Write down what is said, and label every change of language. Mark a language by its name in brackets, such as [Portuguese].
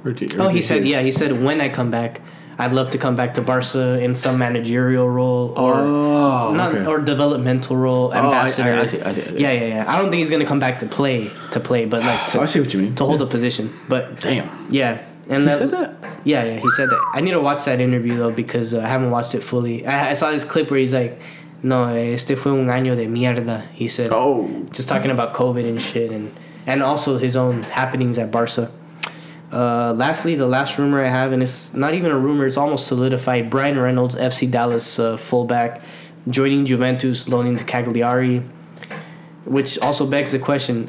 [English] He said when I come back, I'd love to come back to Barca in some managerial role or developmental role, ambassador. I see. I don't think he's going to come back to play, but like I see what you mean. To hold a position. But damn. Yeah. And he said that? Yeah, he said that. I need to watch that interview, though, because I haven't watched it fully. I saw this clip where he's like, [Spanish] no, este fue un año de mierda, [English] he said. Oh. Just talking about COVID and shit and also his own happenings at Barca. Lastly, the last rumor I have, and it's not even a rumor, it's almost solidified, Brian Reynolds, FC Dallas fullback, joining Juventus, loaning to Cagliari, which also begs the question.